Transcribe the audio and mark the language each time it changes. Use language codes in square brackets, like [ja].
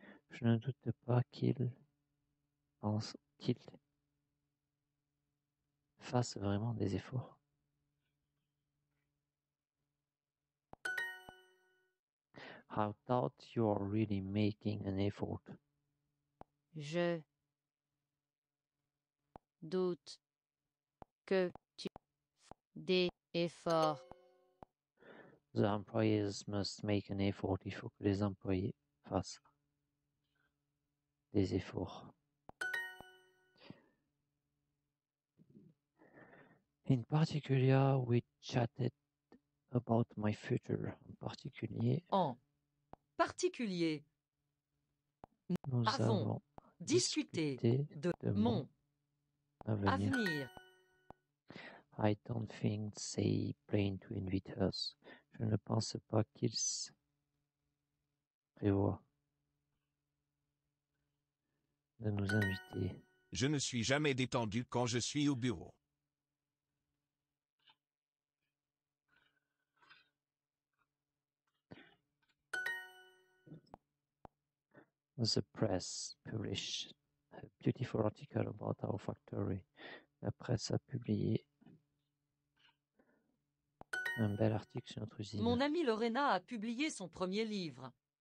[fr] Je ne doute pas qu'il pense qu'il fasse vraiment des efforts. [en] I doubt you are really making an effort. [fr] Je doute que tu fasses des efforts. [en] The employees must make an effort. [fr] Il faut que les employés fassent des efforts. [en] In particular, we chatted about my future. [fr] En particulier, nous avons discuté de mon avenir. [en] I don't think they plan to invite us. [fr] Je ne pense pas qu'ils prévoient de nous inviter. Je ne suis jamais détendu quand je suis au bureau. [en] The press published a beautiful article about our factory. [fr] La presse a publié un bel article sur notre usine. Mon amie Lorena a publié son premier livre.